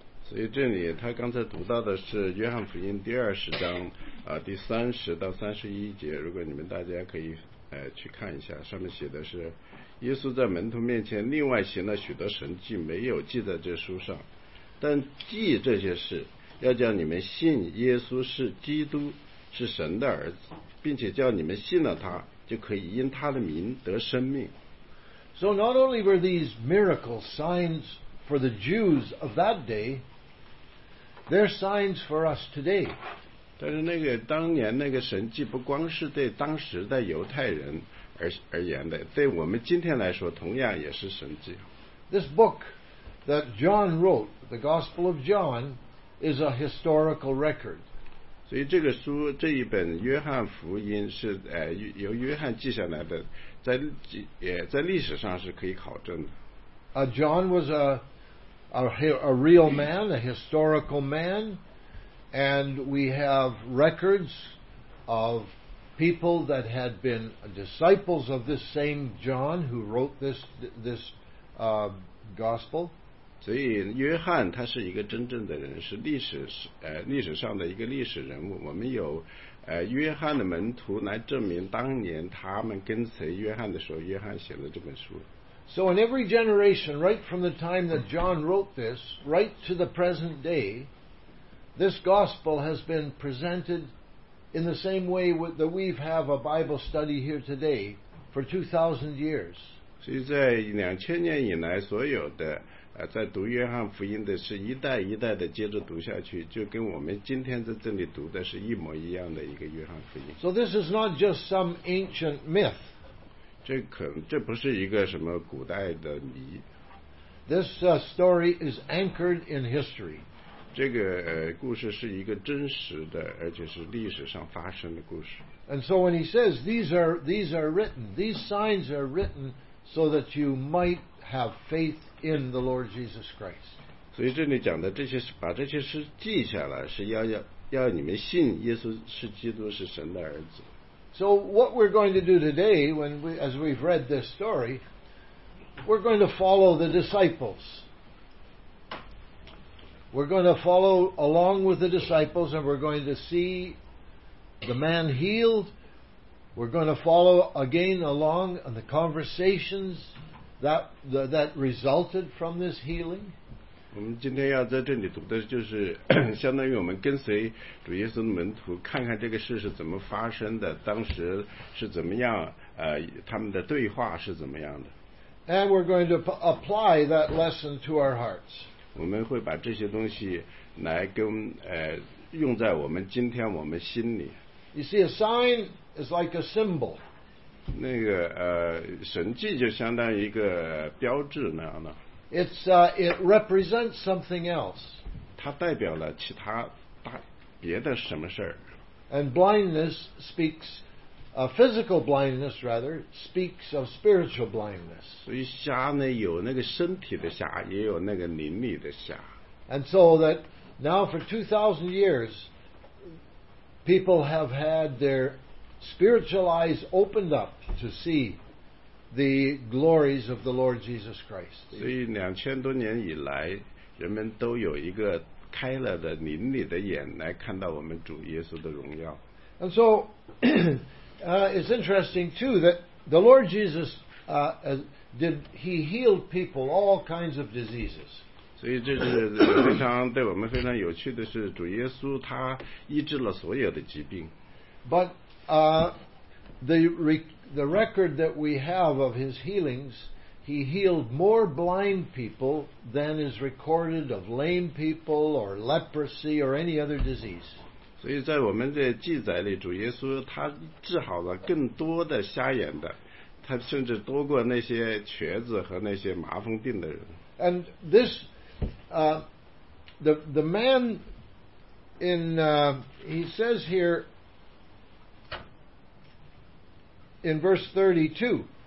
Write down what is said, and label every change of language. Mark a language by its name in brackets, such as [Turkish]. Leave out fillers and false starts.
[Chinese] 所以这里他刚才读到的是约翰福音第二十章第三十到三十一节，如果你们大家可以去看一下，上面写的是耶稣在门徒面前另外行了许多神迹，没有记在这书上，但记这些事要叫你们信耶稣是基督，是神的儿子，并且叫你们信了他，就可以因他的名得生命。 [English] So not only were these miracles signs for the Jews of that day, they're signs for us today. [Chinese] 但是那个当年那个神迹不光是对当时的犹太人而言的，对我们今天来说同样也是神迹。 [English] This book that John wrote, the Gospel of John, is a historical record. [Chinese] 所以这个书这一本约翰福音是由约翰记下来的，在历史上是可以考证的。 [English] John was a real man, a historical man, and we have records of people that had been disciples of this same John who wrote this gospel. [Chinese] 所以约翰他是一个真正的人，是历史上的一个历史人物。我们有约翰的门徒来证明当年他们跟随约翰的时候，约翰写了这本书。 [English] So in every generation, right from the time that John wrote this, right to the present day, this gospel has been presented in the same way that we have a Bible study here today for 2,000 years. [Chinese] 所以在两千年以来，所有的在读约翰福音的是一代一代的接着读下去，就跟我们今天在这里读的是一模一样的一个约翰福音。 [English] So this is not just some ancient myth. [Chinese] 这不是一个什么古代的谜。 [English] This story is anchored in history. [Chinese] 这个故事是一个真实的，而且是历史上发生的故事。 [English] And so when he says these are written, these signs are written so that you might have faith. In the Lord Jesus Christ. [Chinese] 所以这里讲的这些，把这些事记下来，是要你们信耶稣是基督，是神的儿子。 [English] So what we're going to do today, as we've read this story, we're going to follow the disciples. We're going to follow along with the disciples, and we're going to see the man healed. We're going to follow again along on the conversations. That resulted from this healing. [Chinese] 我们今天要在这里读的就是相当于我们跟随主耶稣的门徒，看看这个事是怎么发生的，当时是怎么样，他们的对话是怎么样的。 [English] And we're going to apply that lesson to our hearts. [Chinese] 我们会把这些东西来跟用在我们今天我们心里。 [English] You see, a sign is like a symbol. [Chinese] 那个神迹就相当于一个标志那样的。 [English] It represents something else. [Chinese] 它代表了其他别的什么事儿。 [English] And blindness speaks, physical blindness rather, speaks of spiritual blindness. [Chinese] 所以瞎呢，有那个身体的瞎，也有那个灵里的瞎。 [English] And so that now for 2,000 years, people have had their. Spiritual eyes opened up to see the glories of the Lord Jesus Christ. [Chinese] 所以两千多年以来，人们都有一个开了的灵里的眼，来看到我们主耶稣的荣耀。 [English] And so, it's interesting too that the Lord Jesus he healed people all kinds of diseases. [Chinese] 所以这是非常对我们非常有趣的是，主耶稣他医治了所有的疾病。 [English] But the record that we have of his healings, he healed more blind people than is recorded of lame people or leprosy or any other disease. [Chinese] 所以在我们的记载里，主耶稣他治好了更多的瞎眼的，他甚至多过那些瘸子和那些麻风病的人。 [English] And this, the man in, he says here,In verse 32,